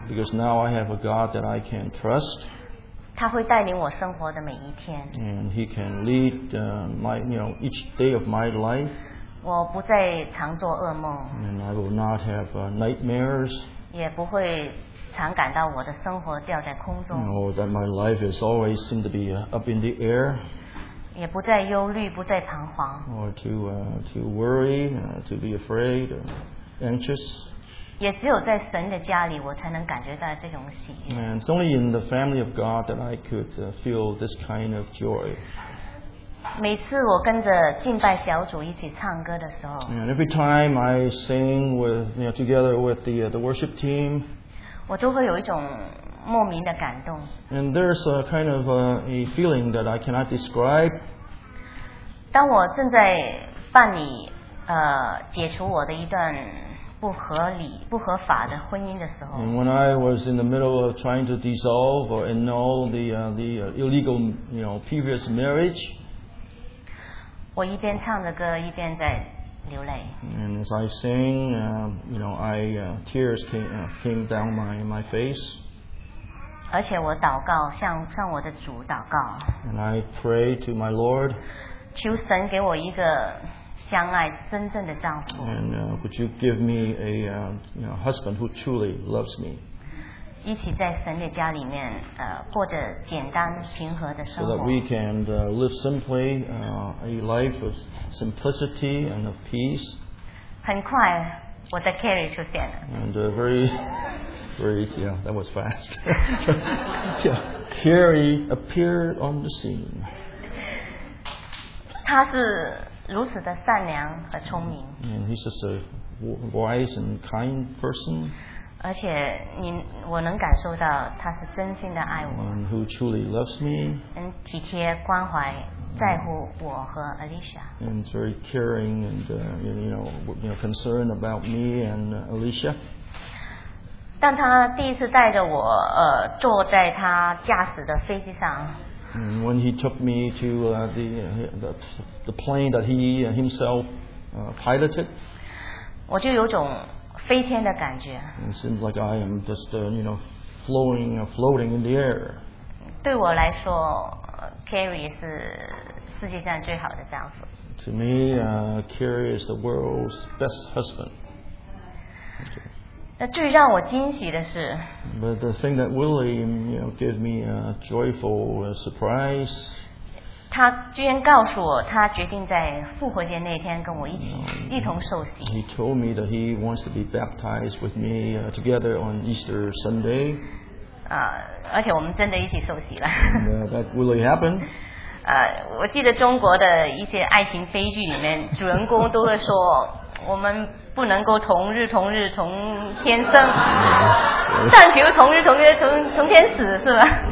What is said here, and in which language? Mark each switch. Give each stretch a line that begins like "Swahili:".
English: Because now I have a God that I can trust.
Chinese: 他会带领我生活的每一天。
English: And He can lead my you know each day of my life.
Chinese: 我不再常做噩梦。
English: And I will not have nightmares.
Chinese: 也不会常感到我的生活掉在空中。
English: No, that my life is always seem to be up in the air.
Chinese: 也不再忧虑，不再彷徨。
English: Or to worry, to be afraid, anxious.
Chinese: 也只有在神的家里，我才能感觉到这种喜悦。
English: And it's only in the family of God that I could feel this kind of joy.
Chinese: 每次我跟着敬拜小组一起唱歌的时候
English: ，And every time I sing with you know together with the worship team，
Chinese: 我都会有一种莫名的感动。
English: And there's a kind of a feeling that I cannot describe。
Chinese: 当我正在办理解除我的一段不合理不合法的婚姻的时候
English: ，And when I was in the middle of trying to dissolve or annul the illegal you know previous marriage。
Chinese: 我一边唱着歌，一边在流泪。
English: And as I sing, you know, tears came down my face.
Chinese: 而且我祷告，向我的主祷告。
English: And I pray to my Lord.
Chinese: 求神给我一个相爱真正的丈夫。
English: And would you give me a husband who truly loves me?
Chinese: 一起在神的家里面，过着简单平和的生活。
English: So that we can live simply a life of simplicity and of peace.
Chinese: 很快，我的 Kerry 出现了。
English: And very, yeah, that was fast. Yeah, Kerry appeared on the scene.
Chinese: 他是如此的善良和聪明。
English: And he's just a wise and kind person.
Chinese: 而且我能感受到他是真心的爱我。
English: And who truly loves me.
Chinese: 体贴关怀在乎我和 Alicia.
English: And he's very caring and concerned about me and Alicia.
Chinese: 当他第一次带着我坐在他驾驶的飞机上。
English: And when he took me to the plane that he himself piloted,
Chinese: 我就有种飞天的感觉。
English: It seems like I am just floating in the air.
Chinese: 对我来说 ，Kerry 是世界上最好的丈夫。
English: To me, Kerry is the world's best husband.
Chinese: 那最让我惊喜的是
English: ，But the thing that really gave me a joyful surprise，
Chinese: 他居然告诉我，他决定在复活节那天跟我一同受洗。
English: He told me that he wants to be baptized with me together on Easter Sunday。
Chinese: 而且我们真的一起受洗了。
English: That really happened。
Chinese: 我记得中国的一些爱情悲剧里面，主人公都会说。我们不能够同日同日同天生，上求同日同月同天死，是吧？